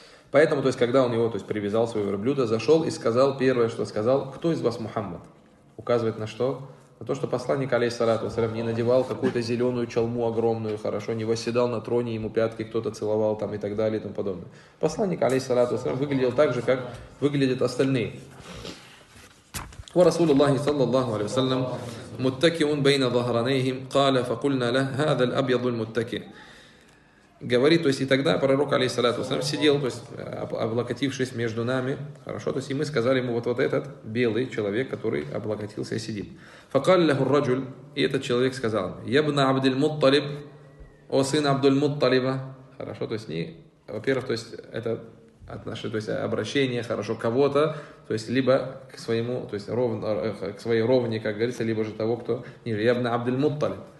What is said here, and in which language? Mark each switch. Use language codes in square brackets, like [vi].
[ru] Поэтому, то есть когда он его, то есть привязал свое верблюдо, зашел и сказал первое, что сказал, кто из вас Мухаммад? Указывает на что? На то, что посланник, алейхиссалату вассалям, не надевал какую-то зеленую чалму огромную, хорошо, не восседал на троне, ему пятки кто-то целовал там и так далее и тому подобное. Посланник, алейхиссалату вассалям, выглядел так же, как выглядят остальные. [ar] ورسول الله صلى الله عليه وسلم متكئ بين ظهرانيهم قال فقلنا له هذا الأبيض المتكئ. [ru] Говорит, то есть и тогда пророк, алейхиссалату вассалям, сидел, то есть облокотившись между нами, хорошо, то есть и мы сказали ему, вот этот белый человек, который облокотился и сидит. Факаль ляху раджуль, и этот человек сказал, ябна абдуль мутталиб, о сын абдуль мутталиба, хорошо, то есть не, во-первых, то есть это отношение, то есть обращение, хорошо, кого-то, то есть либо к своему, то есть к своей ровне, как говорится, либо же того, кто ниже, ябна абдуль мутталиб.